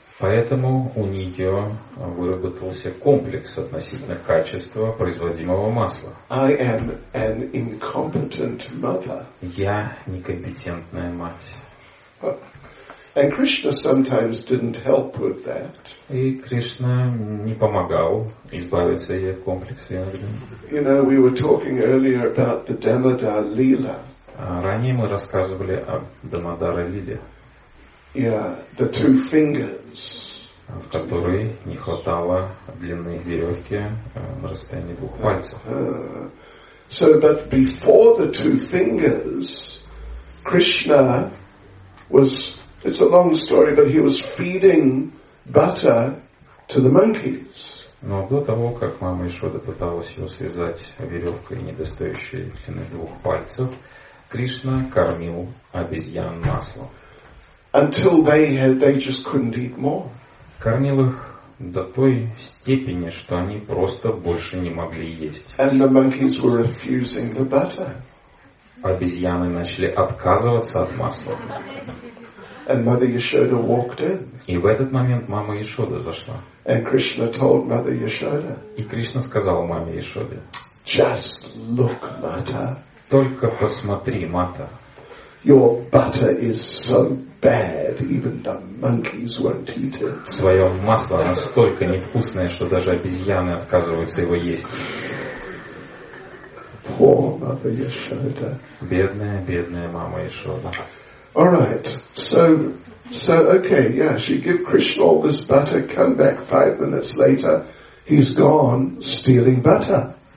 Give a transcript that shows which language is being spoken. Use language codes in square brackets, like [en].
[ru] Поэтому у нее выработался комплекс относительно качества производимого масла. [en] I am an incompetent mother. [ru] Я некомпетентная мать. [en] And Krishna sometimes didn't help with that. [ru] И Кришна не помогал избавиться ей от комплекса. [en] You know, we were talking earlier about the Damodar Lila. [ru] Ранее мы рассказывали о Дамодаре Лиле. [en] Yeah, the two fingers. [ru] В которой не хватало длины веревки на расстоянии 2 пальцев. [en] So, but before the two fingers, Krishna was, it's a long story, but he was feeding butter to the monkeys. [ru] Но до того, как мама Йешода пыталась его связать веревкой, недостающей длины 2 пальцев, Кришна кормил обезьян маслом. [en] Until they just couldn't eat more. [ru] Кормил их до той степени, что они просто больше не могли есть. [en] And the monkeys were refusing the butter. [ru] Обезьяны начали отказываться от масла. [en] And Mother Yashoda walked in. [ru] И в этот момент мама Йешода зашла. [en] And Krishna told Mother Yashoda. [ru] И Кришна сказал маме Йешоде. [en] Just look, Mata. [ru] Только посмотри, Мата. [en] Your butter is so bad, even the monkeys won't eat it. [ru] Твое масло настолько невкусное, что даже обезьяны отказываются его есть. [en] poor Yashoda. [ru] Бедная, бедная мама Яшода. [en] All right. So okay, yeah, she give Krishna all this butter, come back 5 minutes later, he's gone stealing butter.